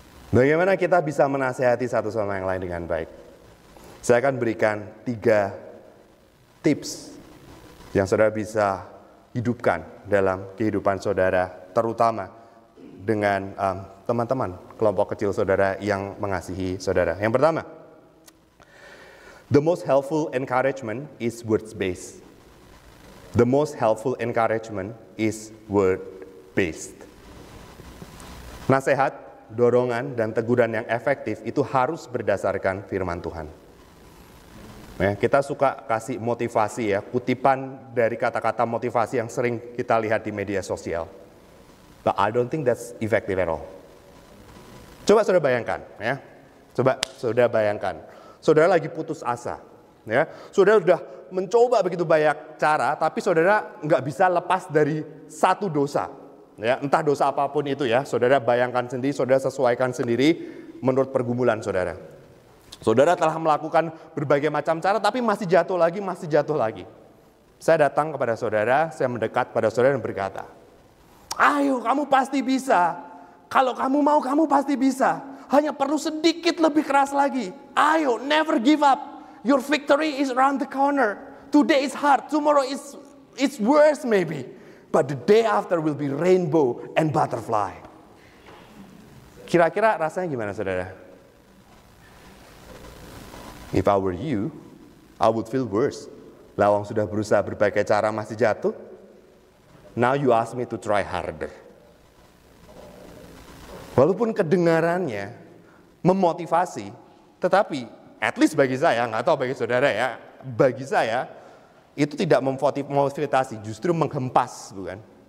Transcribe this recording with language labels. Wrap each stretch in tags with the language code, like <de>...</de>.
<id>Bagaimana kita bisa menasihati satu sama yang lain dengan baik? Saya akan berikan 3 tips yang saudara bisa hidupkan dalam kehidupan saudara, terutama dengan teman-teman, kelompok kecil saudara yang mengasihi saudara. Yang pertama,</id> <en>the most helpful encouragement is words-based. The most helpful encouragement is word-based.</en> <id>Nasihat, dorongan, dan teguran yang efektif itu harus berdasarkan firman Tuhan. Ya, kita suka kasih motivasi ya, kutipan dari kata-kata motivasi yang sering kita lihat di media sosial.</id> <en>But I don't think that's effective at all.</en> <id>Coba saudara bayangkan, ya. Coba saudara bayangkan. Saudara lagi putus asa, ya. Saudara sudah mencoba begitu banyak cara, tapi saudara nggak bisa lepas dari satu dosa. Ya, entah dosa apapun itu ya, saudara bayangkan sendiri, saudara sesuaikan sendiri menurut pergumulan saudara. Saudara telah melakukan berbagai macam cara, tapi masih jatuh lagi, masih jatuh lagi. Saya datang kepada saudara, saya mendekat kepada saudara dan berkata, ayo kamu pasti bisa, kalau kamu mau kamu pasti bisa, hanya perlu sedikit lebih keras lagi, ayo</id> <en>never give up, your victory is around the corner, today is hard, tomorrow is worse maybe, but the day after will be rainbow and butterfly.</en> <id>Kira-kira rasanya gimana saudara?</id> <en>If I were you, I would feel worse.</en> <id>Lawang sudah berusaha berbagai cara masih jatuh.</id> <en>Now you ask me to try harder.</en> <id>Walaupun kedengarannya memotivasi, tetapi</id> <en>at least</en> <id>bagi saya, nggak tahu bagi saudara ya, bagi saya itu tidak memotivasi, justru menghempas, bukan?</id>